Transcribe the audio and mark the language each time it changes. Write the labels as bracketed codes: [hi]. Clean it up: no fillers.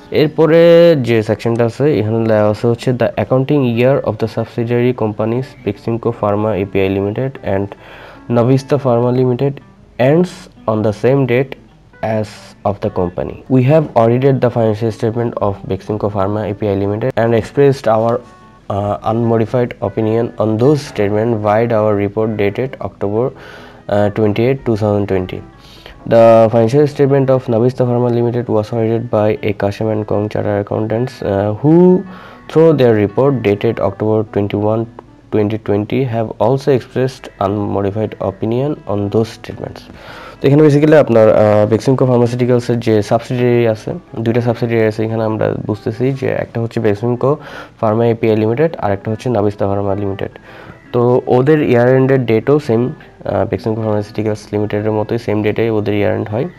[bn] এরপরে যে সেকশনটা আছে এখানে দেওয়া আছে হচ্ছে [en] The accounting year of the subsidiary companies Beximco pharma API limited and Nuvista pharma limited ends on the same date as of the company. We have audited the financial statement of Beximco pharma API limited and expressed our unmodified opinion on those statement vide our report dated October 28, 2020। The financial statement of Navista Pharma Limited was audited by A. Kasham & Kong Chartered Accountants who through their report dated October 21, 2020 have also expressed unmodified opinion on those statements. [bn] তো এখানে basically আপনার বেক্সিমকো ফার্মাসিউটিক্যালসের যে subsidiary আছে, দুইটা subsidiary আছে এখানে আমরা বুঝতেছি যে একটা হচ্ছে বেক্সিমকো ফার্মা এপিআই লিমিটেড আর একটা হচ্ছে নাবিস্তা ফার্মা লিমিটেড। তো ওদের ইয়ার এন্ডের ডেটও সেম বেক্সিমকো ফার্মাসিউটিক্যালস লিমিটেডের মতোই সেম ডেটে ওদের ইয়ার এন্ড হয়।